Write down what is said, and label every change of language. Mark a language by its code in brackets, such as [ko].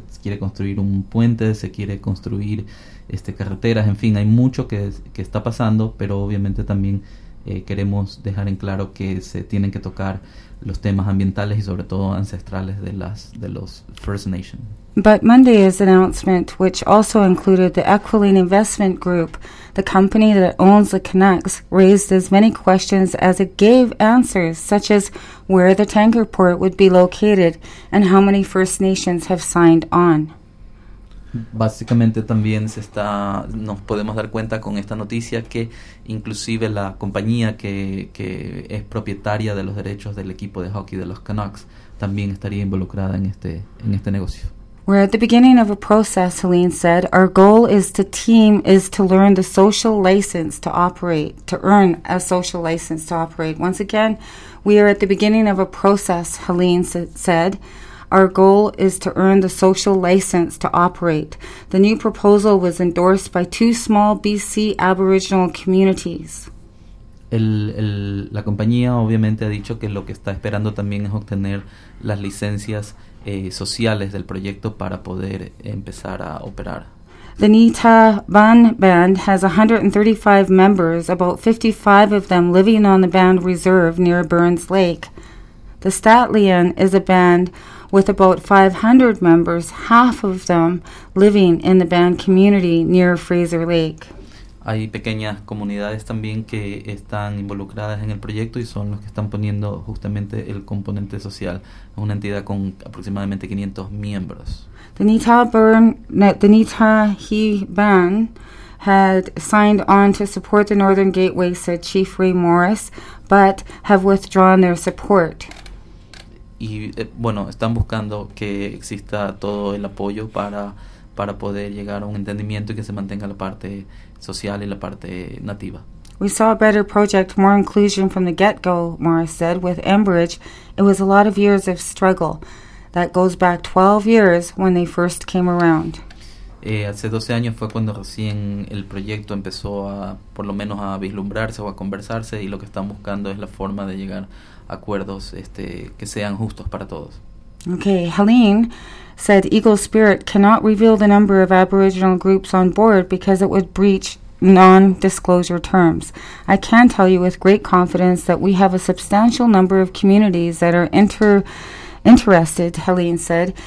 [es] Se quiere construir un puente, se quiere construir carreteras, en fin, hay mucho que está pasando, pero obviamente también queremos dejar en claro que se tienen que tocar los temas ambientales y sobre todo ancestrales de los First Nations. [en] But Monday's announcement, which also included the Equiline Investment Group, the company that owns the Canucks, raised as many questions as it gave answers, such as where the tanker port would be located and how many First Nations have signed on. [es] Básicamente también nos podemos dar cuenta con esta noticia que inclusive la compañía que es propietaria de los derechos del equipo de hockey de los Canucks también estaría involucrada en este negocio. [en] We're at the beginning of a process, Helene said. Our goal is to learn the social license to operate, to earn a social license to operate. Once again, we are at the beginning of a process, Helene said. Our goal is to earn the social license to operate. The new proposal was endorsed by two small BC Aboriginal communities. [es] La compañía obviamente ha dicho que lo que está esperando también es obtener las licencias sociales del proyecto para poder empezar a operar. [en] The Nita Ban Band has 135 members, about 55 of them living on the band reserve near Burns Lake. The Statlian is a band with about 500 members, half of them living in the band community near Fraser Lake. [es] Hay pequeñas comunidades también que están involucradas en el proyecto y son los que están poniendo justamente el componente social. Es una entidad con aproximadamente 500 miembros. [en] The Nita Ban had signed on to support the Northern Gateway, said Chief Ray Morris, but have withdrawn their support. [es] Y bueno, están buscando que exista todo el apoyo para para poder llegar a un entendimiento y que se mantenga la parte social y la parte nativa. [en] We saw a better project, more inclusion from the get-go, Morris said, with Enbridge. It was a lot of years of struggle. That goes back 12 years when they first came around. [es] Hace 12 años fue cuando recién el proyecto empezó a, por lo menos, a vislumbrarse o a conversarse, y lo que están buscando es la forma de llegar a acuerdos que sean justos para todos. [en] Okay, Helene said Eagle Spirit cannot reveal the number of Aboriginal groups on board because it would breach non-disclosure terms. I can tell you with great confidence that we have a substantial number of communities that are interested, Helene said.